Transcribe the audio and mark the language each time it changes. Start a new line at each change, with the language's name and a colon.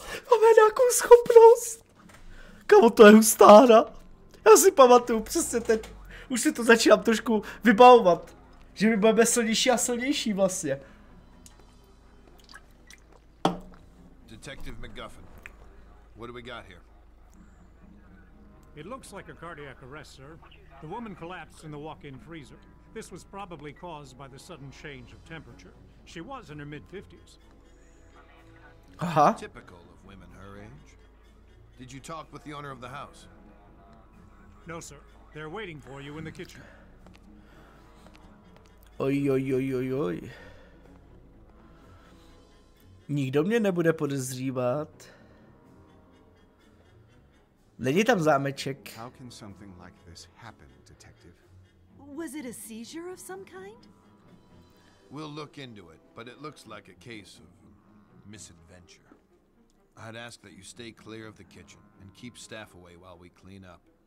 Czech: Máme nějakou schopnost! Kamo, to je hustára! Já si pamatuju přesně teď. Už si to začínám trošku vybavovat. Že my budeme silnější a silnější vlastně.
English: Detective McGuffin, what do we got here? It looks like a cardiac arrest, sir. The woman collapsed in the walk-in freezer. This was probably caused by the sudden change of temperature. She was in her mid-50s. Aha. Typical of women her age. Did you talk with the owner of the house? No, sir. They're waiting for you in the kitchen.
Czech: Oj, oj, oj, oj, oj. Nikdo mě nebude podezřívat. Není tam zámeček.
English: How can something like this happen? Was it a seizure of some kind? We'll look into it, but it looks like a case of misadventure. I'd ask that you stay clear of the kitchen and keep staff away while we clean up.